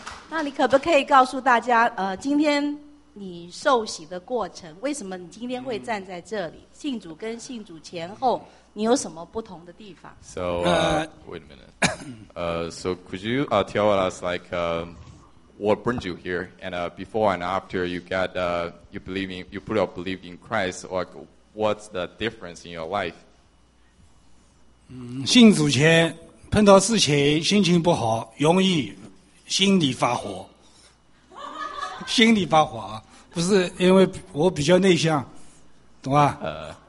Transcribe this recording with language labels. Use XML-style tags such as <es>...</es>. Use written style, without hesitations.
<zh>那你可不可以告诉大家，今天你受洗的过程，为什么你今天会站在这里？信主跟信主前后，你有什么不同的地方</zh> <en>？So wait a minute. So could you tell us like what brings you here, and before and after you got you believe in, you put your belief in Christ, like what's the difference in your life?</en> <zh>信主前碰到事情心情不好，容易心里发火，心里发火啊，不是因为我比较内向，懂吧？</zh>